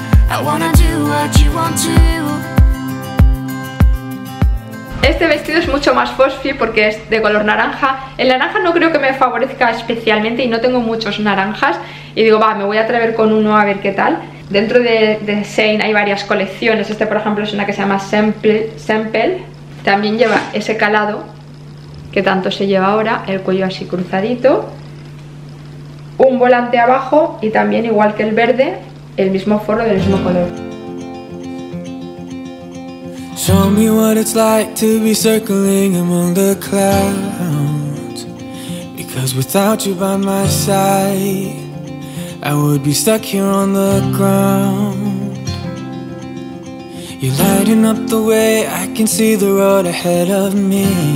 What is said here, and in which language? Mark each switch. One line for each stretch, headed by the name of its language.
English: I wanna do what you want to.
Spanish: Este vestido es mucho más fosfi porque es de color naranja. El naranja no creo que me favorezca especialmente y no tengo muchos naranjas. Y digo, va, me voy a atrever con uno a ver qué tal. Dentro de Shein hay varias colecciones. Este, por ejemplo, es una que se llama Semple. También lleva ese calado que tanto se lleva ahora, el cuello así cruzadito, un volante abajo y también, igual que el verde, el mismo forro del mismo color.
English: Show me what it's like to be circling among the clouds. Because without you by my side, I would be stuck here on the ground. You're lighting up the way, I can see the road ahead of me.